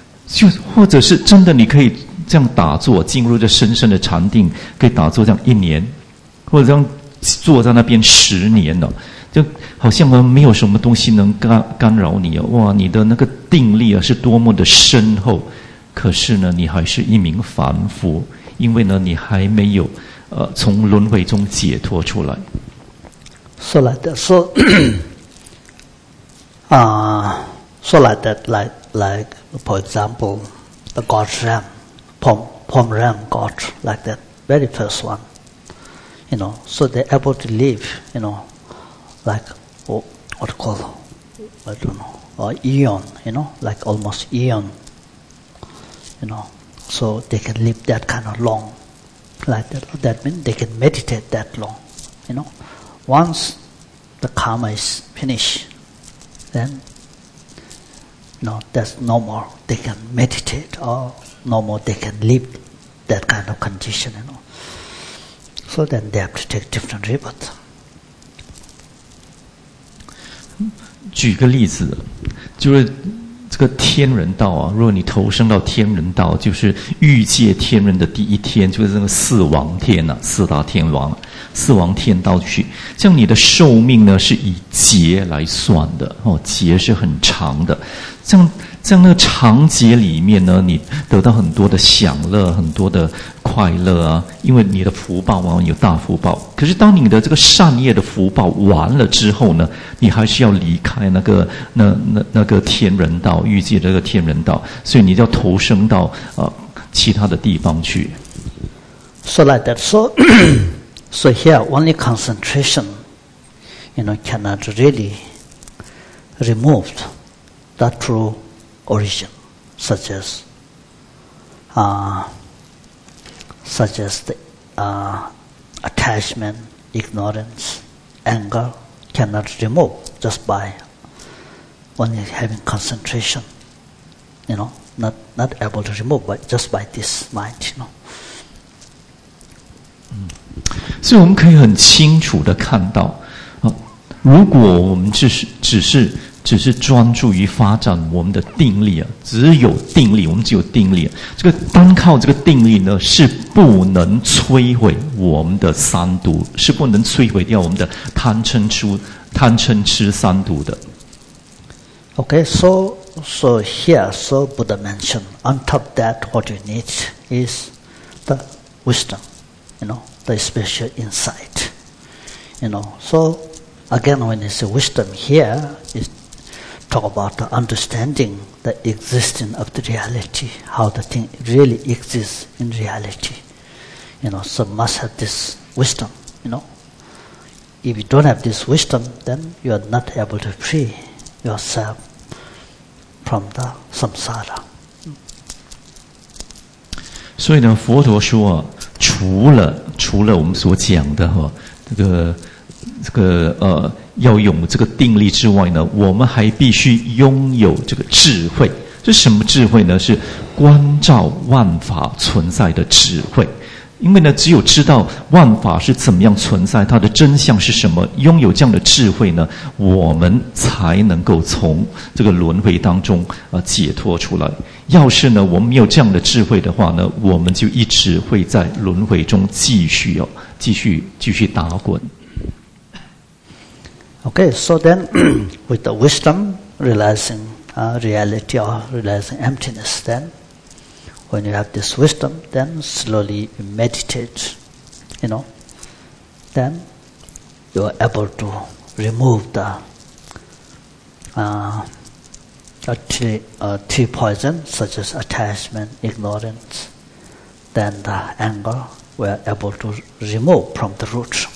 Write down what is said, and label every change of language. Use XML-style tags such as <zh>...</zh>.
<zh>就或者是真的你可以这样打坐进入这深深的禅定，可以打坐这样一年或者这样坐在那边十年了，就好像没有什么东西能干扰你，哇，你的那个定力啊是多么的深厚，可是呢你还是一名凡夫，因为呢你还没有从轮回中解脱出来。说来的说啊，说来的来来</zh> <en>for example the God's realm Pom realm God like that very first one, you know, so they're able to live, you know, like what call I don't know, or eon, you know, like almost eon, you know, so they can live that kind of long like that. That means they can meditate that long, you know. Once the karma is finished, then, you know, there's no more they can meditate or no more they can live that kind of condition, you know. So then they have to take different rebirth.</en> <zh>举个例子，就是这个天人道啊，如果你投生到天人道，就是欲界天人的第一天，就是那个四王天啊，四大天王，四王天道去。像你的寿命呢，是以劫来算的哦，劫是很长的。像那个长劫里面呢，你得到很多的享乐，很多的快乐啊，因为你的福报啊，有大福报。可是当你的这个善业的福报完了之后呢，你还是要离开那个天人道，欲界这个天人道，所以你就要投生到其他的地方去。</zh> <en>So like that, so here only concentration, you know, cannot really remove that true origin, such as the attachment, ignorance, anger cannot remove just by only having concentration, you know, not able to remove but just by this mind, you know.</en> <zh>所以我们可以很清楚地看到，如果我们只是专注于发展我们的定力啊，只有定力，我们只有定力啊，这个单靠这个定力呢，是不能摧毁我们的三毒，是不能摧毁掉我们的贪嗔痴三毒的。</zh> <en>Okay, so here, so Buddha mentioned, on top of that, what you need is the wisdom, you know, the special insight, you know. So again, when it's wisdom here, it's talk about the understanding the existence of the reality, how the thing really exists in reality. You know, so must have this wisdom, you know. If you don't have this wisdom, then you are not able to free yourself from the samsara.</en> <zh>所以呢，佛陀说，除了我们所讲的哈，这个要有这个定力之外呢，我们还必须拥有这个智慧。是什么智慧呢？是观照万法存在的智慧。因为呢，只有知道万法是怎么样存在，它的真相是什么，拥有这样的智慧呢，我们才能够从这个轮回当中解脱出来。要是呢，我们没有这样的智慧的话呢，我们就一直会在轮回中继续打滚。</zh> <en>Okay, so then, with the wisdom, realizing reality or realizing emptiness, then, when you have this wisdom, then slowly you meditate, you know, then you are able to remove the three poisons, such as attachment, ignorance, then the anger, we are able to remove from the root.</en>